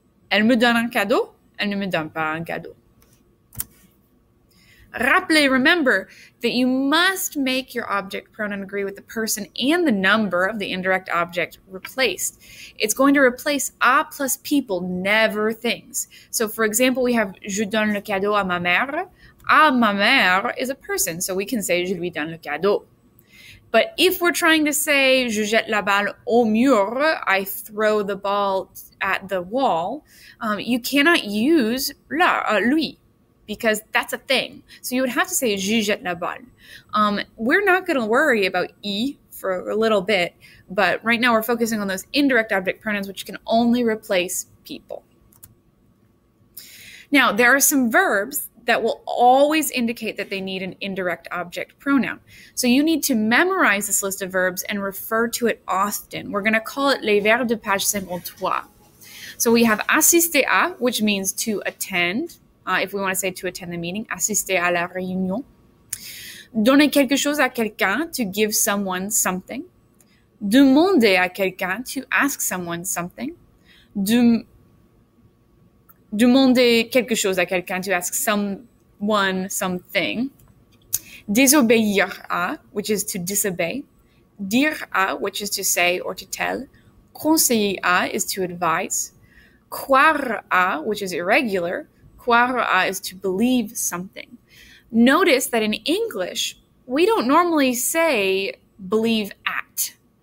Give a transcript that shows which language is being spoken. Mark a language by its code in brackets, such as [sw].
[fr] Elle me donne un cadeau. Elle ne me donne pas un cadeau. Rappelez, [en] remember, that you must make your object pronoun agree with the person and the number of the indirect object replaced. It's going to replace a plus people, never things. So, for example, we have [fr] je donne le cadeau à ma mère. [en] À ma mère is a person, so we can say [fr] je lui donne le cadeau. [en] But if we're trying to say [fr] je jette la balle au mur, [en] I throw the ball at the wall, you cannot use la, lui, because that's a thing. So you would have to say [fr] je jette la balle. [en] We're not going to worry about I for a little bit, but right now we're focusing on those indirect object pronouns, which can only replace people. Now, there are some verbs that will always indicate that they need an indirect object pronoun. So you need to memorize this list of verbs and refer to it often. We're gonna call it [fr] les verbes de page 53. [en] So we have [fr] assister à, [en] which means to attend. If we wanna say to attend the meeting, [fr] assister à la réunion. Donner quelque chose à quelqu'un, [en] to give someone something. [fr] Demander à quelqu'un, [en] to ask someone something. [fr] Demander quelque chose à quelqu'un, [en] to ask someone something. [fr] Désobéir à, [en] which is to disobey. [fr] Dire à, [en] which is to say or to tell. [fr] Conseiller à [en] is to advise. [fr] Croire à, [en] which is irregular. Croire à is to believe something. Notice that in English, we don't normally say believe at.